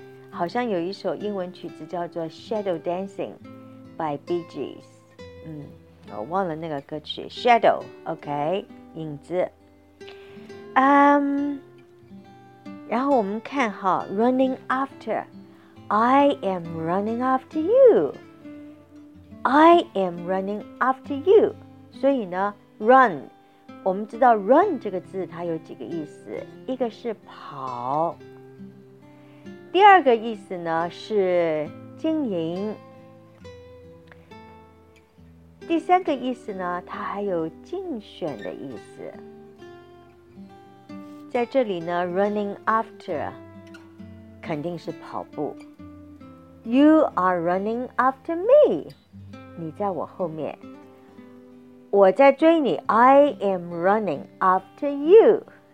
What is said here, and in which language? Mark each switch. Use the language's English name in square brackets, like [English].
[Chinese] 好像有一首英文曲子叫做 Shadow Dancing by Bee Gees。我忘了那个歌曲。 [English] Shadow, OK, [Chinese] 影子。然后我们看哈 , [English] running after. I am running after you. I am running after you. [Chinese] 所以呢 ,run. 我们知道 run 这个字它有几个意思，一个是跑，第二个意思呢是经营，第三个意思呢它还有竞选的意思。在这里呢 [English] running after [Chinese] 肯定是跑步， [English] You are running after me， [Chinese] 你在我后面，我在追你， [English] I am running after you.